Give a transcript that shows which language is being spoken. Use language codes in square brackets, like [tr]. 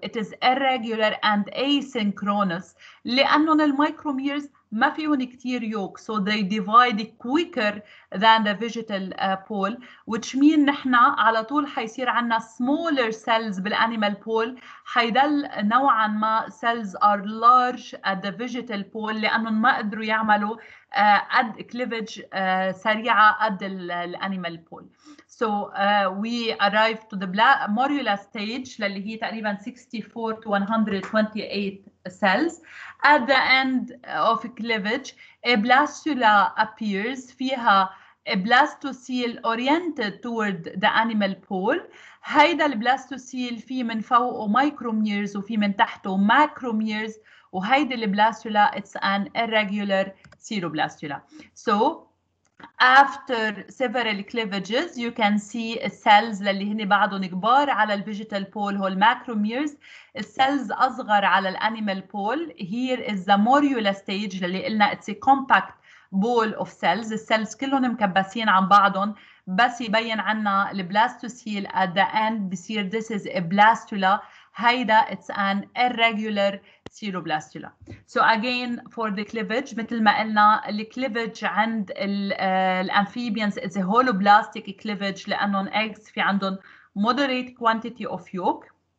[en] It is irregular and asynchronous [ar] لأنه المايكروميرز ما فيهن كتير يوك، [en] so they divide quicker than the vegetal pole، which mean نحنا على طول حيصير عنا smaller cells بالanimal pole، حيدل نوعا ما cells are large at the vegetal pole [ar] لأنهم ما قدروا يعملوا قد cleavage سريعة قد الanimal pole. [en] So we arrive to the morula stage [ar] للي هي تقريبا [en] 64 to 128 cells. At the end of cleavage, a blastula appears. فيها a blastocele oriented toward the animal pole. [ar] هيدا البلاستوسيل في من فوقه micrometers وفي من تحته macrometers. وهيدا البلاستولا [en] it's an irregular ceroblastula. So after several cleavages, you can see cells [ar] للي هني بعضهم كبار على الفيجيتال بول هو الماكروميرز. السيلز أصغر على الانيمال بول. [en] Here is the morula stage [ar] للي قلنا [en] it's a compact ball of cells. [ar] السيلز كلهم مكبسين عن بعضهم بس يبين عنا البلاستوسيل [en] at the end [ar] بصير [en] this is a blastula. هيدا it's an irregular ceroblastula. So again for the cleavage [ar] مثل ما قلنا الكليفج عند الامفيبيانز [en] is a holoblastic cleavage لأنهم eggs [ar] في عندهم [en] moderate quantity of yolk.